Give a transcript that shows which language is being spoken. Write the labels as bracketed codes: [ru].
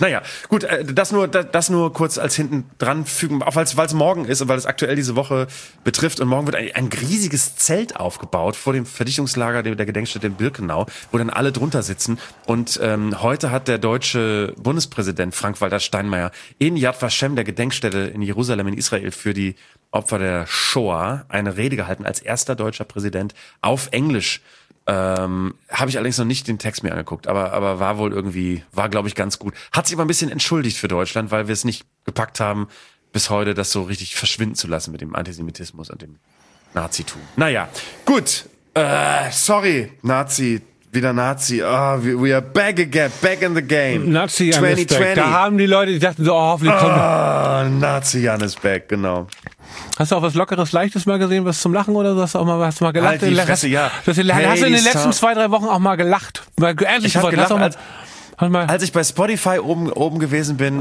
[de] Naja, gut, das nur kurz als hinten dran fügen, auch weil es morgen ist und weil es aktuell diese Woche betrifft und morgen wird ein riesiges Zelt aufgebaut vor dem Verdichtungslager der Gedenkstätte in Birkenau, wo dann alle drunter sitzen und heute hat der deutsche Bundespräsident Frank-Walter Steinmeier in Yad Vashem, der Gedenkstätte in Jerusalem in Israel, für die Opfer der Shoah eine Rede gehalten als erster deutscher Präsident auf Englisch. Habe ich allerdings noch nicht den Text mir angeguckt, aber war wohl irgendwie, war glaube ich ganz gut. Hat sich aber ein bisschen entschuldigt für Deutschland, weil wir es nicht gepackt haben, bis heute das so richtig verschwinden zu lassen mit dem Antisemitismus und dem Nazitum. Naja, gut. Sorry, Nazi. Wieder Nazi. [en] Oh, we are back again, back in the game. [de] Nazi Jan 2020. Ist back. Da haben die Leute, die dachten so, oh, hoffentlich kommt. Nazi Jan ist back, genau. Hast du auch was Lockeres, Leichtes mal gesehen, was zum Lachen oder so? Hast du mal gelacht? Halt die Fresse, Hast du in den letzten 2-3 Wochen auch mal gelacht? Ehrlich, ich habe gelacht, als ich bei Spotify oben gewesen bin.